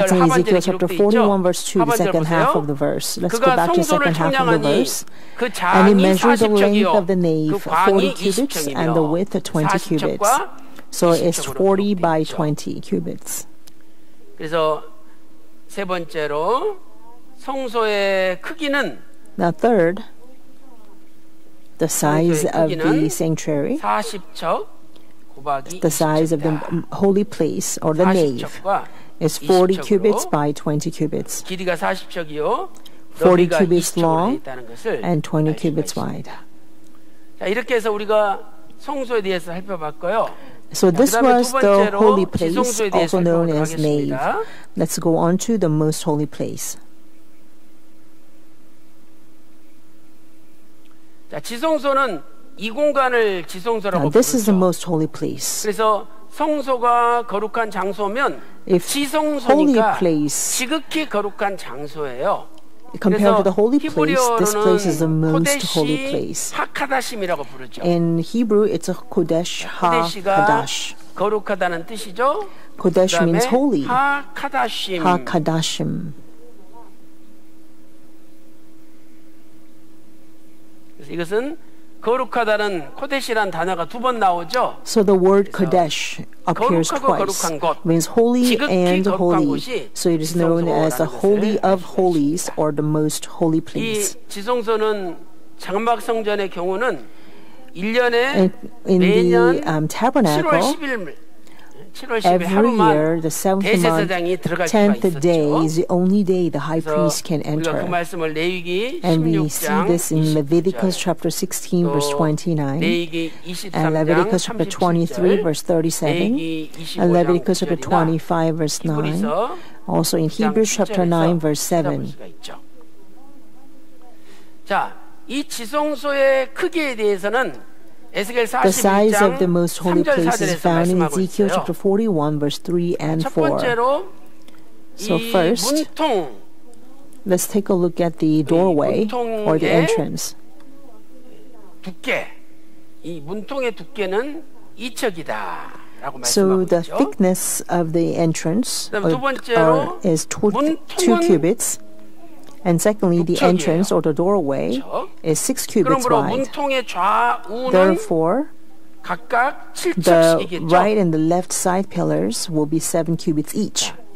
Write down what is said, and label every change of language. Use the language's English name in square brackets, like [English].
[English] That's in Ezekiel chapter 41 verse 2, the second half of the verse. Let's go back to the second half of the verse. And he measured the length of the nave 40 cubits and the width 20 cubits. So it's 40 by 20 cubits. [Korean] 그래서 세 번째로 성소의 크기는 [English] Now third, the size of the sanctuary [Korean] 40척 [English] The size of the holy place or the nave is 40 cubits by 20 cubits. [Korean] 길이가 40척이요. [English] 40 cubits long and 20 cubits wide. [Korean] 자, 이렇게 해서 우리가 성소에 대해서 살펴봤고요. [English] So this was the holy place, also known as nave. Let's go on to the most holy place. [Korean] 자, 지성소는 이 공간을 지성소라고 부르죠. [English] This is the most holy place. [Korean] 그래서 성소가 거룩한 장소면 [English] If [Korean] 지성소니까 [English] holy place, [Korean] 지극히 거룩한 장소예요. [English] Compared to the holy place, this place is the most holy place. [Korean] 하카다심이라고 부르죠. [English] In Hebrew, it's a Kodesh HaKadosh. [Korean] 거룩하다는 뜻이죠. [English] Kodesh means holy. [Korean] 하카다심. 하카다심. 그래서 이것은 거룩하다는 코데시란 단어가 두 번 나오죠. [English] So the word Kodesh appears twice. Means holy and holy. So it is known as the holy of holies or the most holy place. [Korean] 이 지성소는 장막 성전의 경우는 1년에 [English] tabernacle, [Korean] 7월 11일 7월 11일 하루만 대제사장이 들어갈 수 있었죠. [English] 10th day is the only day the high priest can enter. [Korean] 우리가 그 말씀을 레위기 [English] And we see this in Leviticus chapter 16 verse 29 and Leviticus chapter 23 verse 37 and Leviticus chapter 25 verse 9 also in Hebrews chapter 9 verse 7. [Korean] 자, 이 지성소의 크기에 대해서는 [English] The size of the most holy place is found in Ezekiel chapter 41, verse 3 and 4. So first, let's take a look at the doorway or the entrance. [Korean] 두께, 이 문통의 두께는 2척이다. [English] So the thickness of the entrance is 2 cubits. And secondly, the entrance or the doorway is 6 cubits wide. Therefore, the right and the left side pillars will be 7 cubits each.